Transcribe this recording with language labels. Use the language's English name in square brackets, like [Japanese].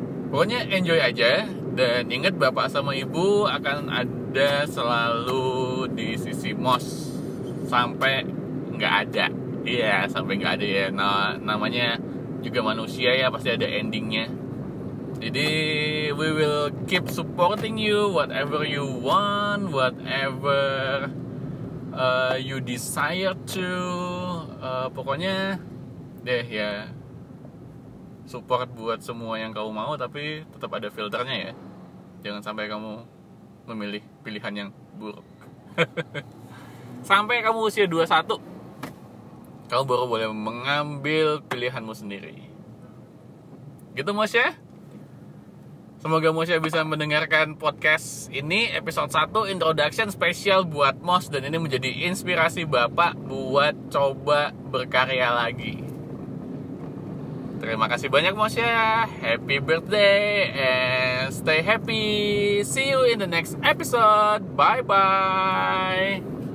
[Indonesian] Pokoknya enjoy aja, dan ingat bapak sama ibu akan ada ada selalu di sisi Mos sampai nggak ada. Iya, sampai nggak ada ya. Nah, namanya juga manusia ya, pasti ada endingnya. Jadi [English] we will keep supporting you whatever you want, whatever you desire to. [Indonesian] Pokoknya deh ya, support buat semua yang kamu mau, tapi tetap ada filternya ya. Jangan sampai kamu memilih pilihan yang buruk. Sampai kamu usia 21, kamu baru boleh mengambil pilihanmu sendiri. Gitu Moshe. Semoga Moshe bisa mendengarkan podcast ini, episode 1 introduction spesial buat Mos, dan ini menjadi inspirasi Bapak buat coba berkarya lagi. Terima kasih banyak Moshe. [English] Happy birthday and stay happy. See you in the next episode. Bye bye.